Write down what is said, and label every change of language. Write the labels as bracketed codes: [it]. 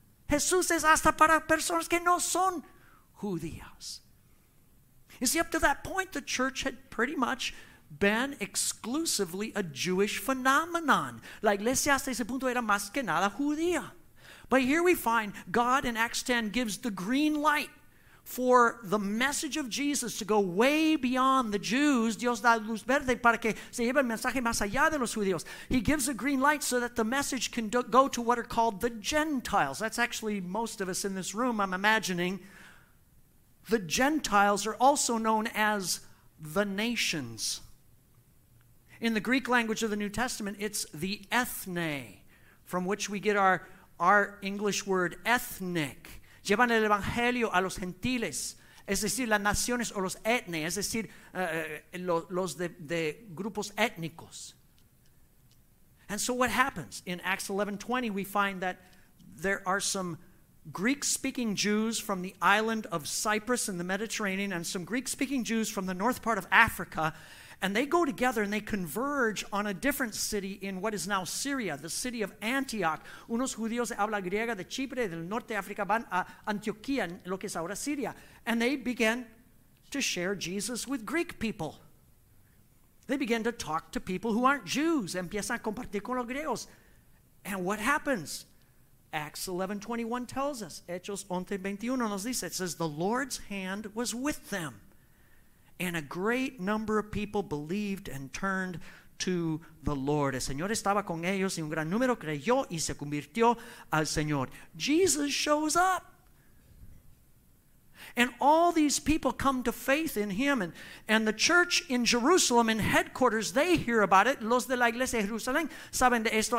[es] Jesús es hasta para personas que no son judías. [en] You see, up to that point, the church had pretty much been exclusively a Jewish phenomenon. [es] La iglesia hasta ese punto era más que nada judía. [en] But here we find God in Acts 10 gives the green light for the message of Jesus to go way beyond the Jews. [es] Dios da luz verde para que se lleve el mensaje más allá de los judíos. [en] He gives a green light so that the message can go to what are called the Gentiles. That's actually most of us in this room, I'm imagining. The Gentiles are also known as the nations. In the Greek language of the New Testament, it's the ethne, from which we get our English word ethnic. [es] Llevan el evangelio a los gentiles, es decir, las naciones o los etne, es decir, los de grupos étnicos. [en] And so what happens? In Acts 11:20, we find that there are some Greek-speaking Jews from the island of Cyprus in the Mediterranean and some Greek-speaking Jews from the north part of Africa, and they go together and they converge on a different city in what is now Syria, the city of Antioch. [es] Unos judíos de habla griega de Chipre, del norte de África, van a Antioquía, lo que es ahora Siria. [en] And they begin to share Jesus with Greek people. They begin to talk to people who aren't Jews. [es] Empiezan a compartir con los griegos. [en] And what happens? Acts 11:21 tells us. [es] Hechos 11:21 nos dice. [en] It says, "The Lord's hand was with them, and a great number of people believed and turned to the Lord." [es] El Señor estaba con ellos y un gran número creyó y se convirtió al Señor. [en] Jesus shows up. And all these people come to faith in him. And the church in Jerusalem, in headquarters, they hear about it. [es] Los de la iglesia de Jerusalén saben de esto.